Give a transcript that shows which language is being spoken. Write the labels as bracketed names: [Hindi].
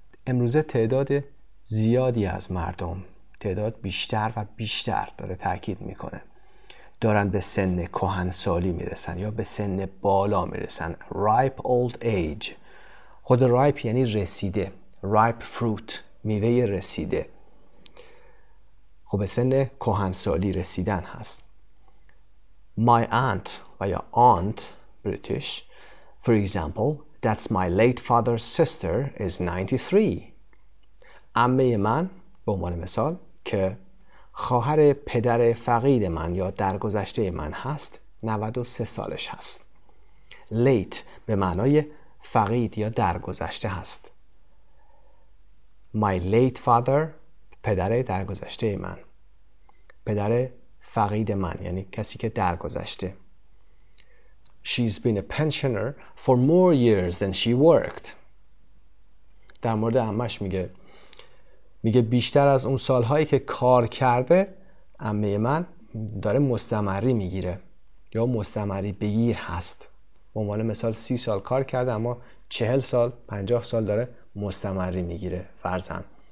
[Persian] امروزه تعداد زیادی از مردم تعداد بیشتر و بیشتر داره تاکید میکنه دارن به سن کهنسالی میرسن یا به سن بالا میرسن [English] ripe old age [Persian] خود ripe یعنی رسیده [English] ripe fruit [Persian] میوه رسیده خب به سن کهنسالی رسیدن هست [English] My aunt [Persian] و یا aunt British. [English] For example, that's my late father's sister is 93. [Persian] عمه من به عنوان مثال که خواهر پدر فقید من یا درگذشته من هست 93 سالش هست. Late به معنای فقید یا درگذشته هست. [English] My late father [Persian] پدر درگذشته من. پدر فقید من یعنی کسی که درگذشته. [English] She's been a pensioner for more years than she worked. [Persian] در مورد عمش میگه بیشتر از اون سالهایی که کار کرده عمه من داره مستمری میگیره یا مستمری بگیر هست. به عنوان مثال 30 سال کار کرده اما 40 سال 50 سال داره مستمری میگیره فرضاً.